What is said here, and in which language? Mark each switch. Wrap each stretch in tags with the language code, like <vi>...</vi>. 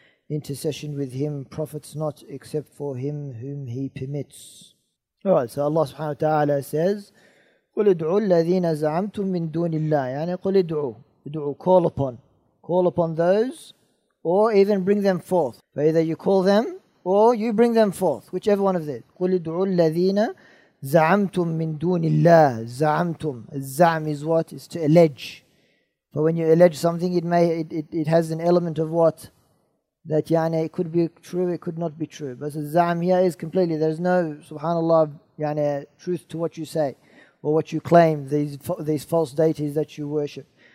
<en>Intercession with him profits not except for him whom he permits. Alright, so Allah subhanahu wa ta'ala says,</en> <ar>قُلْ اِدْعُوا الَّذِينَ زَعَمْتُمْ مِنْ دُونِ اللَّهِ. قُلْ اِدْعُوا,</ar> <en>call upon those or even bring them forth. Either you call them or you bring them forth, whichever one of these.</en> <ar>قل ادعوا الذين زعمتم من دون الله. زعمتم. الزعم</ar> <en>is what? Is to allege. But when you allege something, it has an element of what? That</en> <ar>يعني,</ar> <en>it could be true, it could not be true. But the zam here is completely, there's no, subhanAllah, يعني, truth to what you say or what you claim, these false deities that you worship.</en>